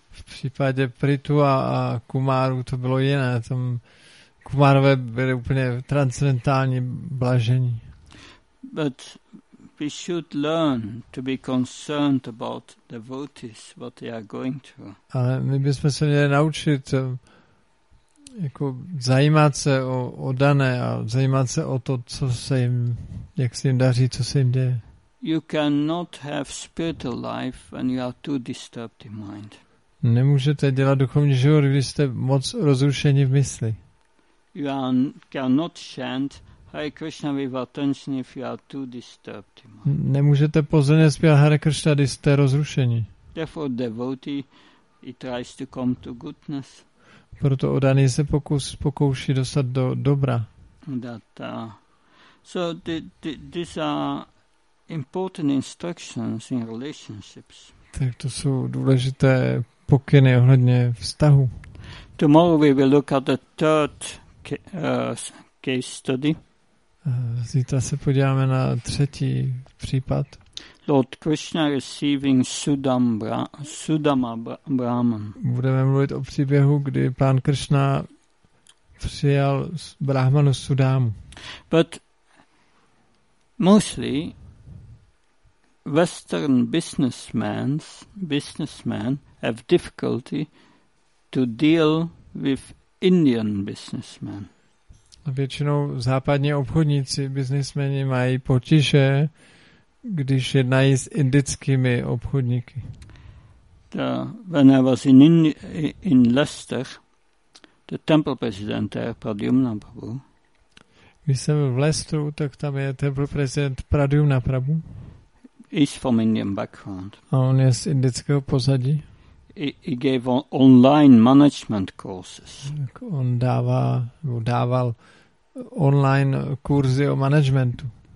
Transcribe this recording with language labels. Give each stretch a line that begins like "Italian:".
Czech: V případě Pritu a kumáru to bylo jiné. Tam kumárové byly úplně transcendentální blažení.
English: But we should learn to be concerned about devotees, what they are going through.
Czech: Ale my bychom se měli naučit jako zajímat se o dané a zajímat se o to, co se jim, jak se jim daří, co se jim děje.
English: You cannot have spiritual life when you are too disturbed in mind.
Czech: Nemůžete dělat duchovní život, když jste moc rozrušeni v mysli.
English: You cannot chant Hare Krishna with attention if you are too disturbed.
Czech: Nemůžete pozorně zpívat Hare Krishna, když jste rozrušení.
English: Therefore devotee, he tries to come to goodness.
Czech: Proto oddaný se pokouší dostat do dobra.
English: That, so these are important instructions in relationships.
Czech: Tak to jsou důležité pokyny ohledně vztahu.
English: Tomorrow we will look at the third case study.
Czech: Zítra se podíváme na třetí případ.
English: Lord Krishna receiving Sudama Brahman.
Czech: Budeme mluvit o příběhu, kdy pán Krishna přijal Brahmanu Sudámu.
English: But mostly Western businessmen have difficulty to deal with Indian businessmen.
Czech: A většinou západní obchodníci, businessmeni mají potíže, když jednají s indickými obchodníky.
English: When I was in Leicester, the temple president there, Pradyumna Prabhu.
Czech: Když jsem v Leicesteru, tak tam je
English: temple president
Czech: Pradyumna Prabhu.
English: He's from Indian background.
Czech: A on je z indického pozadí.
English: He gave online management courses.
Czech: Tak on dával online kurzy o managementu.